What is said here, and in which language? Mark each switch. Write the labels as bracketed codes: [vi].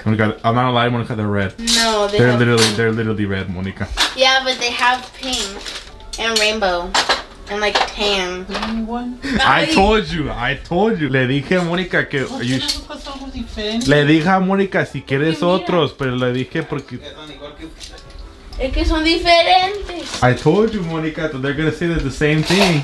[en] Monica, I'm not gonna lie, Monica, they're red. No, they're literally red, Monica. Yeah, but they have pink and rainbow and like tan. I told you. [es] Le dije a Monica que. Le dije a Monica si quieres otros, pero le dije porque. Es que son diferentes. [en] I told you, Monica, that they're gonna say they're the same thing.